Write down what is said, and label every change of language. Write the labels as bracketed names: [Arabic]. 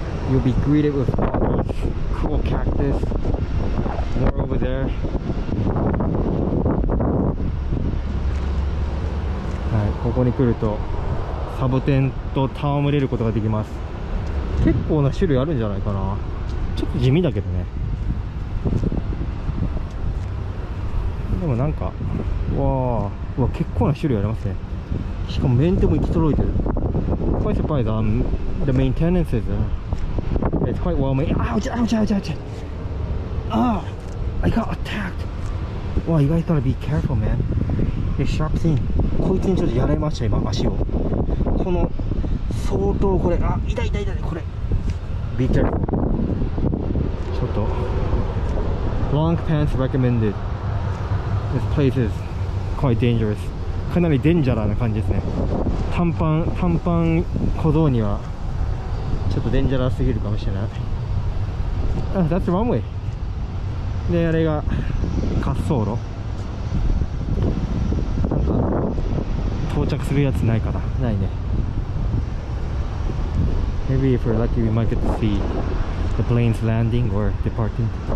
[English] You'll be greeted with flowers, cool cactus, more over there. [Japanese] ここに来るとサボテンと戯れることができます。結構な種類あるんじゃないかな。ちょっと地味だけどね。でもなんかうわ結構な種類ありますね。しかもメンテも行き届いてる。 [English] Quite surprised the maintenance is it's quite well made. Ouch! Ouch! Ouch! Ouch! Ah! I got attacked! Wow, you guys gotta be careful, man. It's sharp thing. [Japanese] こいつにちょっとやられました今足を。この相当これあ痛い痛い痛いこれ。 [English] Be careful. ちょっと。 Long pants recommended. This place is quite dangerous. [Japanese] かなりデンジャラな感じですね。短パン小僧にはちょっとデンジャラすぎるかもしれない。あ、 [English] That's the runway. [Japanese] で、あれが滑走路。なんか到着するやつないかな。ないね。 [English] Maybe if we're lucky, we might get to see the planes landing or departing.